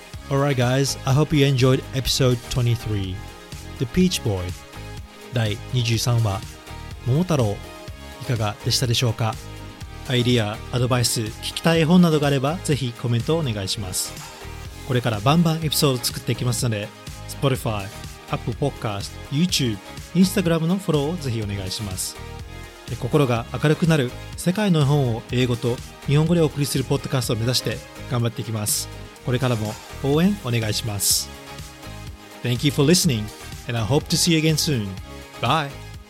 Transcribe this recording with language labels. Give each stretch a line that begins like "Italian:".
English: Alright guys, I hope you enjoyed episode 23, The Peach Boy.
Japanese: 第23話、桃太郎、いかがでしたでしょうか？アイディア、アドバイス、聞きたい絵本などがあれば、ぜひコメントをお願いします。これからバンバンエピソード作っていきますので、Spotify、Apple Podcast、YouTube、Instagram のフォローをぜひお願いします。心が明るくなる世界の絵本を英語と日本語でお送りするポッドキャストを目指して頑張っていきます。これからも応援お願いします。
English: Thank you for listening, and I hope to see you again soon. Bye!